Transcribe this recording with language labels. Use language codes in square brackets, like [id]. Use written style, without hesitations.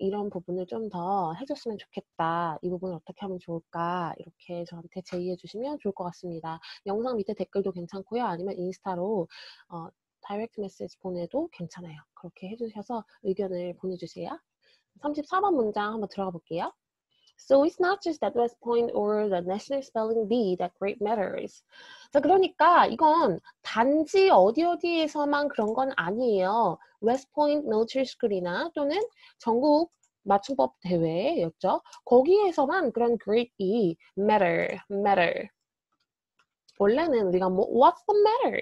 [ko] 이런 부분을 좀더 해줬으면 좋겠다. 이 부분을 어떻게 하면 좋을까? 이렇게 저한테 제의해 주시면 좋을 것 같습니다. 영상 밑에 댓글도 괜찮고요. 아니면 인스타로 다이렉트 메시지 보내도 괜찮아요. 그렇게 해주셔서 의견을 보내주세요. 34번 문장 한번 들어가 볼게요. [en] So it's not just at West Point or the National Spelling Bee that grit matters. [ko] 자, 그러니까 이건 단지 어디 어디에서만 그런 건 아니에요. West Point Military School이나 또는 전국 맞춤법 대회였죠. 거기에서만 그런 grit이 matter. 원래는 우리가 뭐 What's the matter?